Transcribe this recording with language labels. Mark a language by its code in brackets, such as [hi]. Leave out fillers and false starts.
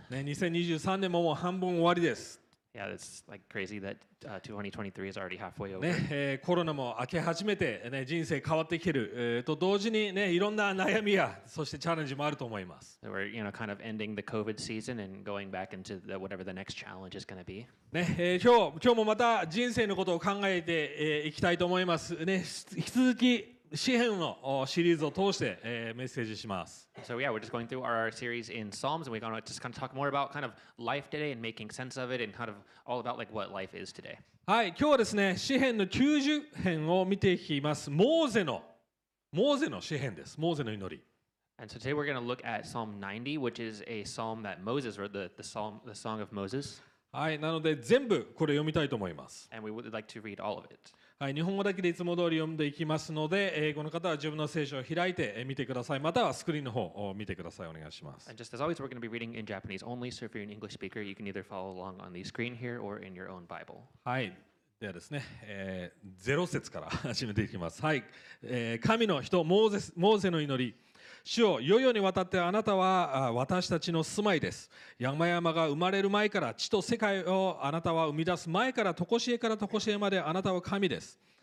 [ja] ね、2023年ももう半分終わりです。 [en] Yeah, it's like crazy that 2023 is already halfway over. [ja] ね、コロナも明け始めて、ね、人生変わってきてる、と同時にね、いろんな悩みや、そしてチャレンジもあると思います。 [en] So we're, you know, kind of ending the COVID season and going back into the, whatever the next challenge is going to be. [ja] ね、今日もまた人生のことを考えて、いきたいと思います。ね、引き続き、詩編のシリーズを通して、メッセージします。 [en] So yeah, we're just going through our series in Psalms, and we're going to just kind of talk more about kind of life today and making sense of it, and kind of all about like what life is today. [ja] はい、今日はですね、詩編の90編を見ていきます。モーゼの詩編です。モーゼの祈り。 [en] And so today we're going to look at Psalm 90, which is a psalm that Moses wrote, the song of Moses. [ja] はい、なので全部これ読みたいと思います。 [en] And we would like to read all of it. [ja] はい、日本語だけでいつも通り読んでいきますので、英語の方は自分の聖書を開いて見てください。またはスクリーンの方を見てください。お願いします。 [en] And just as always, we're going to be reading in Japanese only, so if you're an English speaker, you can either follow along on the screen here or in your own Bible. [ja] はい、ではですね、ゼロ節から始めていきます。はい、神の人モーゼの祈り。主よ、世々にわたってあなたは私たちの住まいです。山々が生まれる前から、地と世界をあなたは生み出す前から、とこしえからとこしえまであなたは神です。